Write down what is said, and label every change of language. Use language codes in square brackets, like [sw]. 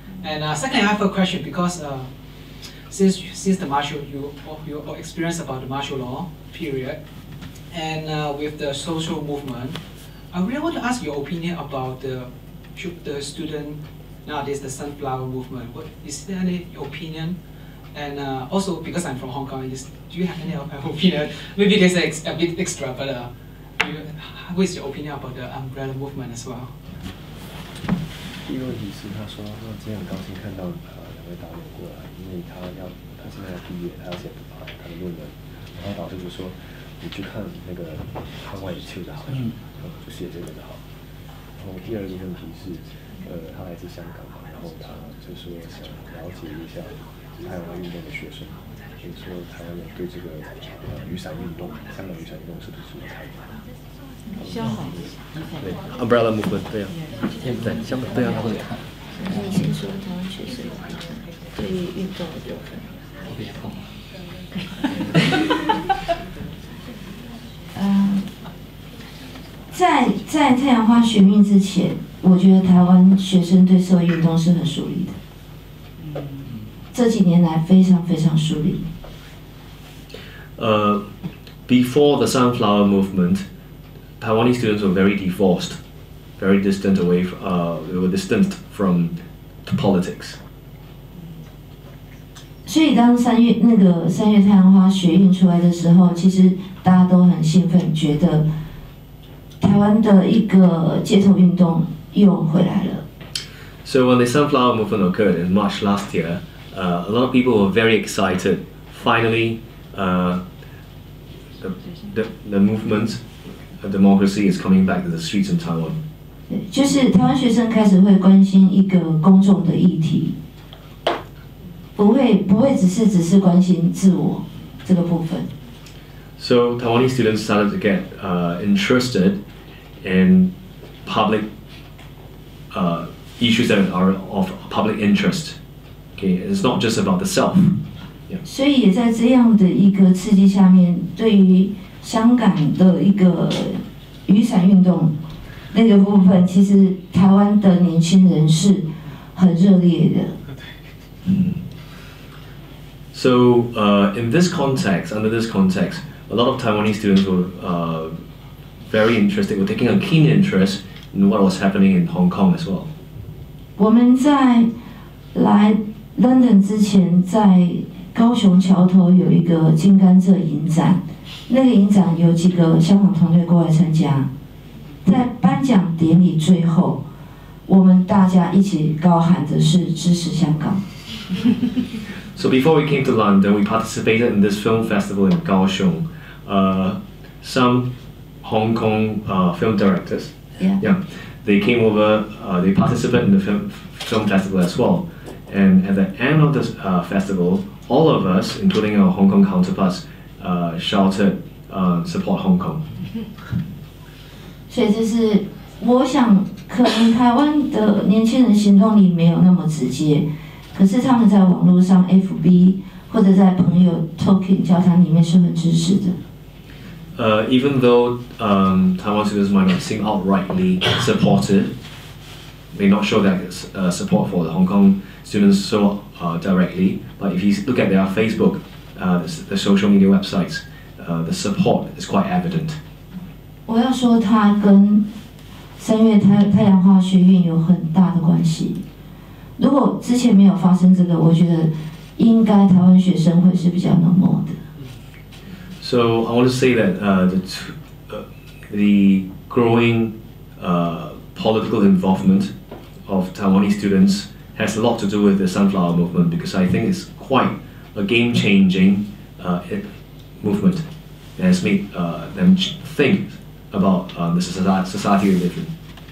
[en] And second, I have a question because since the martial, you experience about the martial law period and with the social movement,I really want to ask your opinion about the student nowadays, the Sunflower Movement. What is there any opinion? And also, because I'm from Hong Kong, do you have any opinion? Maybe it's a bit extra, but what is your opinion about the Umbrella Movement as well? [zh] 第一个问题是，他说今天很高兴看到两位导演过来，因为他现在要毕业，他要写他的论文，然后导师就说你去看那个窗外的秋的好了。就写这个的好。然后第二个问题是，他来自香港嘛，然后他就说想了解一下台湾运动的学生，就是说台湾人对这个雨伞运动，香港雨伞运动是不是有看法？香港对 ，Umbrella Movement 对啊，现在香港对啊，他会看。那你先说台湾学生对运动的部分。我别碰。在太阳花学运之前，我觉得台湾学生对社会运动是很疏离的。这几年来非常非常疏离。 [en] Before the Sunflower Movement, Taiwanese students were very divorced, very distant away from, they were distant from the politics. [zh] 所以当三月太阳花学运出来的时候，其实大家都很兴奋，觉得。台湾的一个街头运动又回来了。 [en] So when the Sunflower Movement occurred in March last year, a lot of people were very excited. Finally, the movement, democracy is coming back to the streets in Taiwan. [zh] 就是台湾学生开始会关心一个公众的议题，不会只是关心自我这个部分。 [en] So Taiwanese students started to get interested. And public issues that are of public interest. Okay, it's not just about the self. Yeah. [zh] 所以也在这样的一个刺激下面，对于香港的一个雨伞运动那个部分，其实台湾的年轻人是很热烈的。 [en] So in this context, under this context, a lot of Taiwanese students were. Very interesting. We're taking a keen interest in what was happening in Hong Kong as well. [zh] 我们在来 London 之前，在高雄桥头有一个金甘蔗影展，那个影展有几个香港团队过来参加。在颁奖典礼最后，我们大家一起高喊的是支持香港。 [en] So before we came to London, we participated in this film festival in Kaohsiung. Some. Hong Kong film directors. Yeah. They came over, they participated in the film festival as well. And at the end of the festival, all of us, including our Hong Kong counterparts, shouted, support Hong Kong. [zh] 所以这是我想可能台湾的年轻人行动力没有那么直接，可是他们在网络上 FB 或者在朋友 Talking 交谈里面是很支持的。 [en] Even though Taiwan students might not seem outrightly supportive, may not show that support for the Hong Kong students so directly, but if you look at their Facebook, the social media websites, the support is quite evident. [zh] 我要说它跟三月太阳花学运有很大的关系。如果之前没有发生这个，我觉得应该台湾学生会是比较冷漠的。 [en] So I want to say that the growing political involvement of Taiwanese students has a lot to do with the Sunflower Movement because I think it's quite a game-changing movement that has made them think about the society they live in.